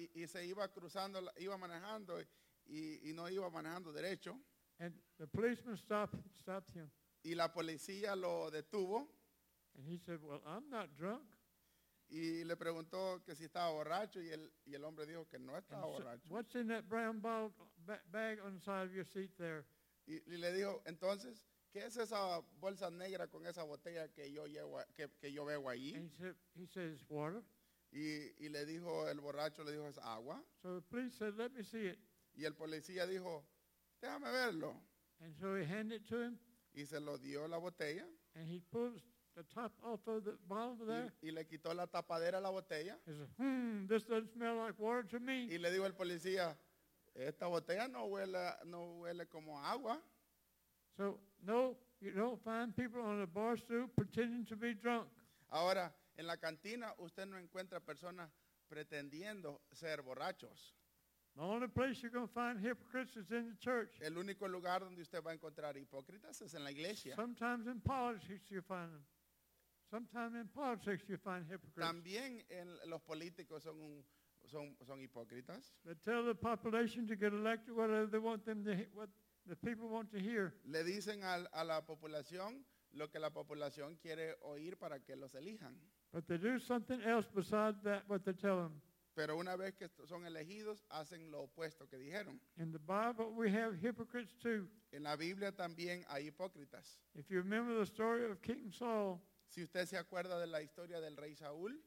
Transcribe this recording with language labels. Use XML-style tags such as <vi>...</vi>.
<es>Y se iba cruzando, iba manejando y no iba manejando derecho.</es> <en>And the policeman stopped him.</en> <es>Y la policía lo detuvo.</es> <en>And he said, well, I'm not drunk.</en> <es>Y le preguntó que si estaba borracho y el hombre dijo que no estaba</es> <en>and</en> <es>borracho.</es> <en>So, what's in that brown bag on the side of your seat there?</en> <es>Y le dijo, entonces, ¿qué es esa bolsa negra con esa botella que yo llevo que yo veo ahí?</es> <en>And he said, it's water.</en> <es>Y le dijo el borracho, le dijo, es agua.</es> <en>So the police said, let me see it.</en> <es>Y el policía dijo, déjame verlo.</es> <en>And so he handed it to him.</en> <es>Y se lo dio la botella.</es> <en>And he pulled the top off of the bottle there.</en> <es>Y le quitó la tapadera a la botella.</es> <en>He said, this doesn't smell like water to me.</en> <es>Y le dijo el policía, esta botella no huele como agua.</es> <en>So, no, you don't find people on a bar stool pretending to be drunk.</en> <es>Ahora, en la cantina usted no encuentra personas pretendiendo ser borrachos.</es> <en>The only place you're going to find hypocrites is in the church.</en> <es>El único lugar donde usted va a encontrar hipócritas es en la iglesia.</es> <en>Sometimes in politics you find them. Sometimes in politics you find hypocrites.</en> <es>También en los políticos son hipócritas.</es> <en>They tell the population to get elected whatever they want them to what the people want to hear.</en> <es>Le dicen a la población lo que la población quiere oír para que los elijan.</es> <en>But they do something else besides that what they tell them.</en> <es>Pero una vez que son elegidos, hacen lo opuesto que dijeron.</es> <en>In the Bible we have hypocrites too.</en> <es>En la Biblia también hay hipócritas.</es> <en>If you remember the story of King Saul,</en> <es>si usted se acuerda de la historia del rey Saúl,</es>